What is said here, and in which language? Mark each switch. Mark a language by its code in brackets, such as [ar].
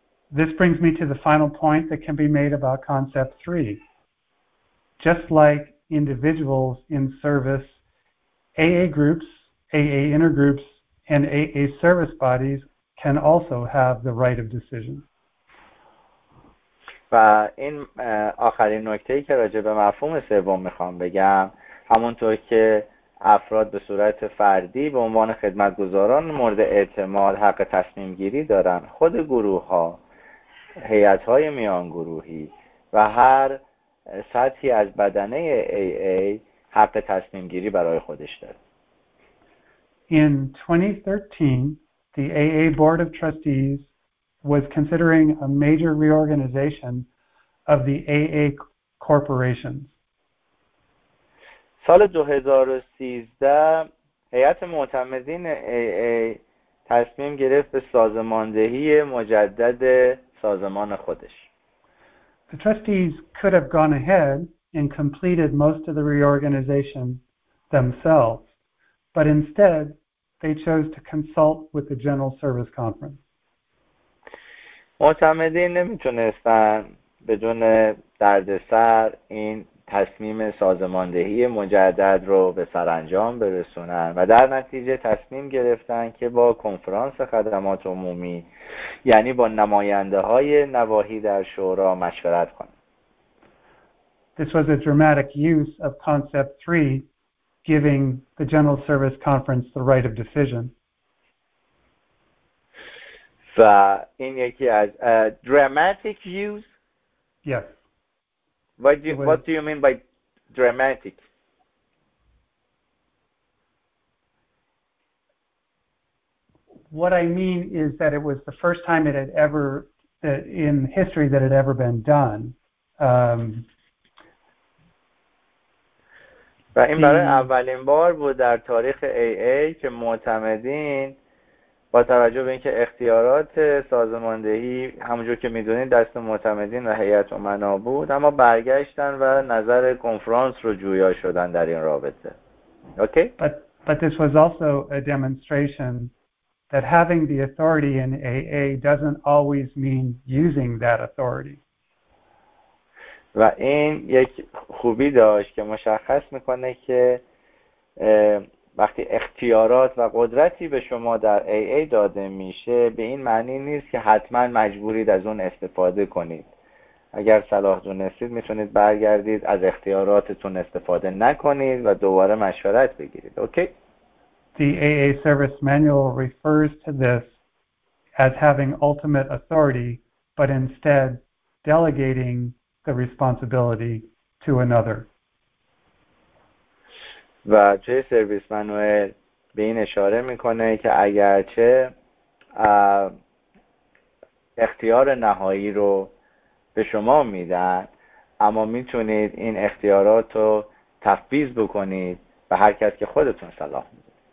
[en] This brings me to the final point that can be made about concept 3. Just like individuals in service, AA groups, AA intergroups, and AA service bodies can also have the right of decision. [fa] و این آخرین نکته‌ای که راجع به مفهوم سوم میخوام بگم، همونطور که افراد به صورت فردی به عنوان خدمتگزاران مورد اعتماد حق تصمیم گیری دارن، خود گروه ها، هیئت های میان گروهی و هر سطحی از بدنه AA حق تصمیم گیری برای خودش داره. [en] In 2013, the AA Board of Trustees was considering a major reorganization of the AA corporations. [fa] سال 2013 هیئت معتمدین AA تصمیم گرفت به سازماندهی مجدد سازمان خودش. [en] The trustees could have gone ahead and completed most of the reorganization themselves, but instead they chose to consult with the General Service Conference. [fa] معتمدین نمیتونستن بدون دردسر این تصمیم سازماندهی مجدد رو به سرانجام برسونن و در نتیجه تصمیم گرفتن که با کنفرانس خدمات عمومی، یعنی با نماینده های نواحی در شورا، مشورت کنن. [en] This was a dramatic use of concept 3, giving the General Service Conference the right of decision. [fa] و این یکی از [en] dramatic use. Yes. What do you mean by dramatic? What I mean is that it was the first time it had ever in history that it had ever been done. و این برای اولین بار بود در تاریخ AA که معتمدین با توجه به اینکه اختیارات سازماندهی همونجور که میدونید دست معتمدین و هیئت امنا بود، اما برگشتن و نظر کنفرانس رو جویا شدن در این رابطه. Okay? But this was also a demonstration that having the authority in AA doesn't always mean using that authority. [fa] و این یک خوبی داشت که مشخص میکنه که وقتی اختیارات و قدرتی به شما در AA داده میشه، به این معنی نیست که حتما مجبورید از اون استفاده کنید. اگر صلاح دونستید میتونید برگردید از اختیاراتتون استفاده نکنید و دوباره مشورت بگیرید. اوکی؟ [en] The AA service manual refers to this as having ultimate authority but instead delegating the responsibility to another. [fa] و توی سرویس منوئل به این اشاره میکنه که اگرچه اختیار نهایی رو به شما میدن، اما میتونید این اختیارات رو تفویض بکنید به هر کس که خودتون صلاح میدونید.